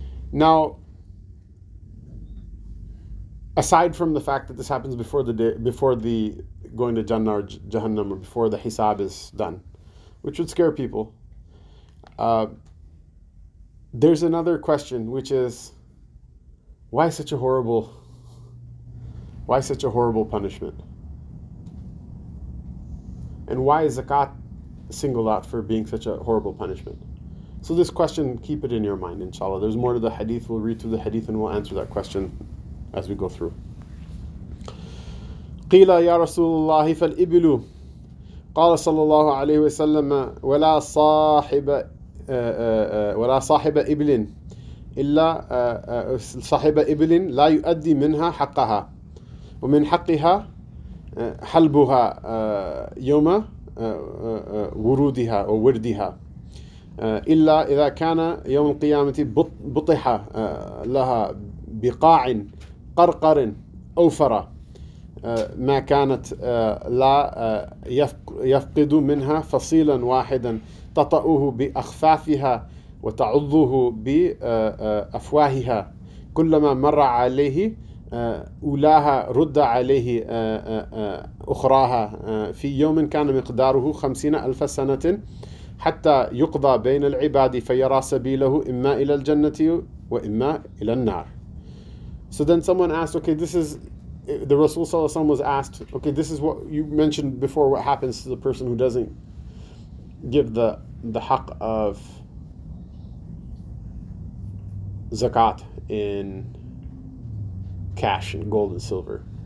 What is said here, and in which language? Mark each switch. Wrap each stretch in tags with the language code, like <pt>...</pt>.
<en>Now, aside from the fact that this happens before the day, before the going to Jannah or Jahannam, or before the hisab is done, which would scare people, there's another question, which is, why such a horrible punishment? And why is zakat singled out for being such a horrible punishment? So this question, keep it in your mind, inshallah. There's more to the hadith. We'll read through the hadith and we'll answer that question as we go through.</en> <ar>قِيلَ يَا رَسُولُ اللَّهِ فَالْإِبِلُ قَالَ صَلَّى اللَّهُ عَلَيْهِ وَسَلَّمَ وَلَا صَاحِبَ ولا صاحب إبل إلا صاحب إبل لا يؤدي منها حقها ومن حقها حلبها يوم ورودها أو وردها إلا إذا كان يوم القيامة بطح لها بقاع قرقر أوفر ما كانت لا يفقد منها فصيلا واحدا تطأه بأخفافها وتعضه بأفواهها كلما مر عليه أولاها رد عليه أخراها في يوم كان مقداره 50,000 سنة حتى يقضى بين العباد فيرى سبيله إما إلى الجنة وإما إلى النار.</ar> <en>So then someone asked, okay, this is, the Rasul صلى الله عليه وسلم was asked, okay, this is what you mentioned before, what happens to the person who doesn't give the haq of zakat in cash and gold and silver.</en>